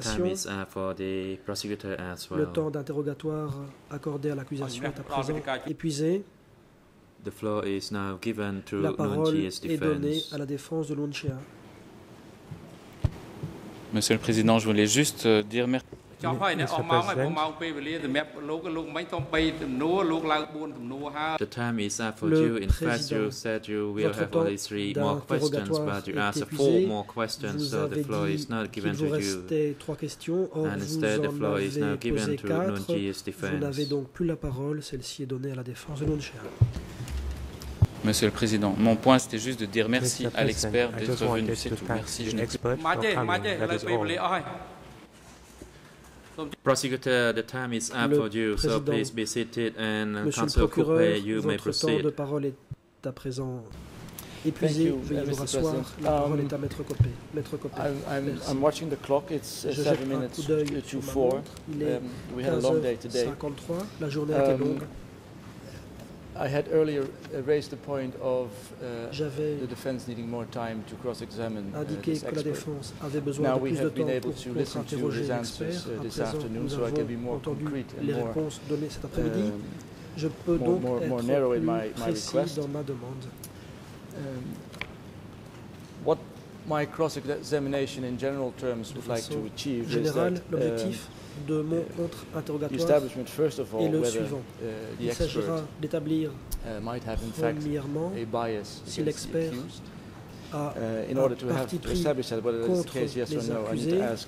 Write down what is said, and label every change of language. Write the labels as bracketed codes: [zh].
[en] The time is for the prosecutor as well. [fr] Le temps d'interrogatoire accordé à l'accusation est à présent épuisé. [en] The floor is now given to [fr] la parole [en] Nguyen's defense. [fr] Est donnée à la défense de Nguyen Chia. Monsieur le Président, je voulais juste dire merci. [en] The time is up for you. In fact, you said you will have only three more questions, but you asked four more questions, so the floor is not given to you. And instead, the floor is now given to Nguyen Chia's defense. [fr] Vous n'avez donc plus la parole. Celle-ci est donnée à la défense de Nguyen Chia. Monsieur le Président, mon point c'était juste de dire merci à l'expert d'être venu, c'est tout. Merci, je [en] Prosecutor, the time is up for you, so please be seated and [fr] Monsieur le procureur, [en] you may proceed. [fr] Votre temps de parole est à présent épuisé, veuillez vous rasseoir. La parole est à Maître Copé. Maître Copé. [en] I'm watching the clock, it's 7 minutes to 4. [fr] Il est 15h53, la journée a été longue. [en] I had earlier raised the point of the defense needing more time to cross-examine this expert. Now we have been able to listen to his answers this afternoon, so I can be more concrete and more narrow in my request. [fr] Dans ma demande. [en] What my cross-examination in general terms would like to achieve [fr] général, [en] is that [fr] de mon contre-interrogatoire est le suivant. Il s'agira d'établir premièrement si l'expert a parti pris contre l'accusé.